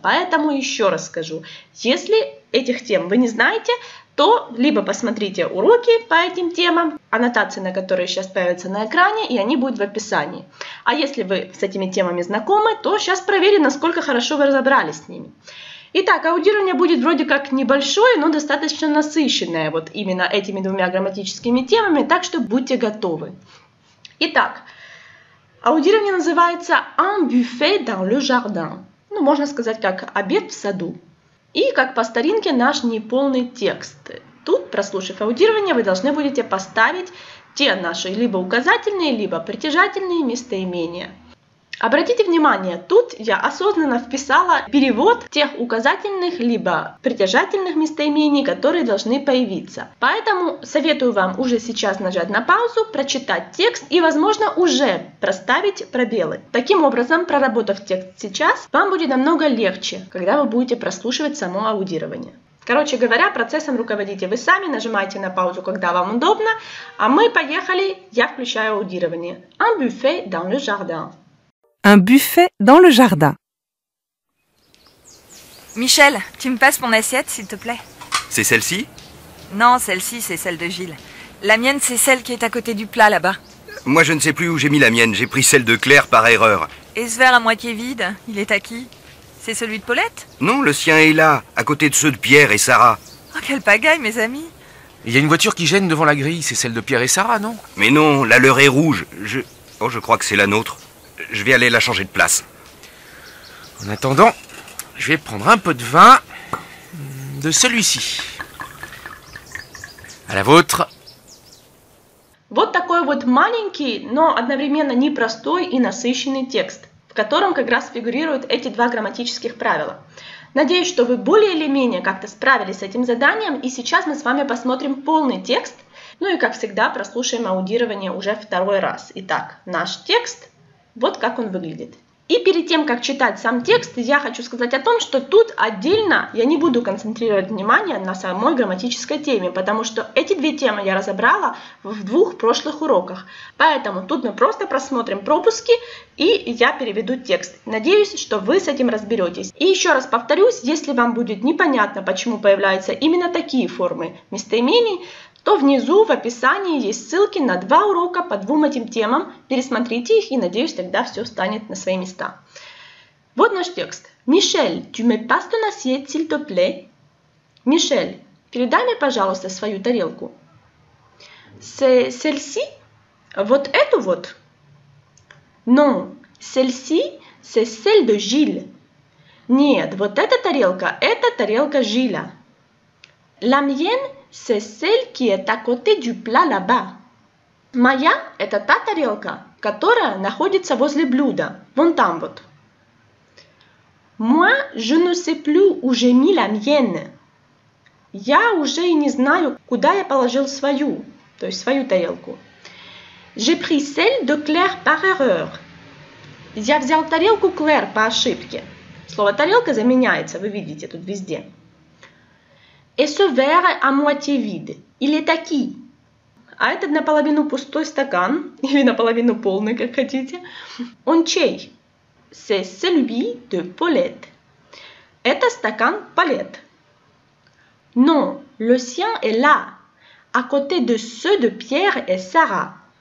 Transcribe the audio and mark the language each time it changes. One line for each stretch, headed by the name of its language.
Russian: Поэтому еще раз скажу, если этих тем вы не знаете, то либо посмотрите уроки по этим темам, аннотации на которые сейчас появятся на экране, и они будут в описании. А если вы с этими темами знакомы, то сейчас проверим, насколько хорошо вы разобрались с ними. Итак, аудирование будет вроде как небольшое, но достаточно насыщенное вот именно этими двумя грамматическими темами, так что будьте готовы. Итак, аудирование называется «Un buffet dans le jardin». Ну, можно сказать, как «обед в саду». И, как по старинке, наш неполный текст. Тут, прослушав аудирование, вы должны будете поставить те наши либо указательные, либо притяжательные местоимения. Обратите внимание, тут я осознанно вписала перевод тех указательных либо притяжательных местоимений, которые должны появиться. Поэтому советую вам уже сейчас нажать на паузу, прочитать текст и, возможно, уже проставить пробелы. Таким образом, проработав текст сейчас, вам будет намного легче, когда вы будете прослушивать само аудирование. Короче говоря, процессом руководите вы сами, нажимайте на паузу, когда вам удобно, а мы поехали, я включаю аудирование.
French: Un buffet dans le jardin. Un buffet dans le jardin. Michel, tu me passes mon assiette, s'il te plaît. C'est celle-ci? Non, celle-ci, c'est celle de Gilles. La mienne, c'est celle qui est à côté du plat, là-bas. Moi, je ne sais plus où j'ai mis la mienne. J'ai pris celle de Claire par erreur. Et ce verre à moitié vide, il est à qui? C'est celui de Paulette? Non, le sien est là, à côté de ceux de Pierre et Sarah. Oh, quelle pagaille, mes amis! Il y a une voiture qui gêne devant la grille. C'est celle de Pierre et Sarah, non? Mais non, la leur est rouge. Je crois que c'est la nôtre. Je vais aller la changer de place. En attendant, je vais prendre un peu de vin de celui-ci. À la vôtre.
Russian: Вот такой вот маленький, но одновременно непростой и насыщенный текст, в котором как раз фигурируют эти два грамматических правила. Надеюсь, что вы более или менее как-то справились с этим заданием, и сейчас мы с вами посмотрим полный текст, ну и, как всегда, прослушаем аудирование уже второй раз. Итак, наш текст. Вот как он выглядит. И перед тем, как читать сам текст, я хочу сказать о том, что тут отдельно я не буду концентрировать внимание на самой грамматической теме, потому что эти две темы я разобрала в двух прошлых уроках. Поэтому тут мы просто просмотрим пропуски, и я переведу текст. Надеюсь, что вы с этим разберетесь. И еще раз повторюсь, если вам будет непонятно, почему появляются именно такие формы местоимений, то внизу в описании есть ссылки на два урока по двум этим темам. Пересмотрите их, и надеюсь, тогда все встанет на свои места. Вот наш текст.
French: Мишель, tu me passes ton assiette, s'il te plaît?
Russian: Мишель, передай мне, пожалуйста, свою тарелку. C'est celle-ci? Вот эту вот?
French: Non, celle-ci, c'est celle de Gilles.
Russian: Нет, вот эта тарелка, это тарелка Жиля.
French: La mienne? C'est celle qui est à côté du plat là-bas.
Russian: Моя – это та тарелка, которая находится возле блюда, вон там вот.
French: Moi, je ne sais plus où j'ai mis la mienne.
Russian: Я уже и не знаю, куда я положил свою, то есть свою тарелку.
French: J'ai pris celle de Claire par erreur.
Russian: Я взял тарелку Клэр по ошибке. Слово «тарелка» заменяется, вы видите тут везде.
French: Et ce verre à moitié vide, il est à qui?
Russian: А этот наполовину пустой стакан, или наполовину полный, как хотите.
French: Он чей? C'est celui de Paulette.
Russian: Это стакан Paulette.
French: Non, le sien est là, à côté de ceux de Pierre et Sarah.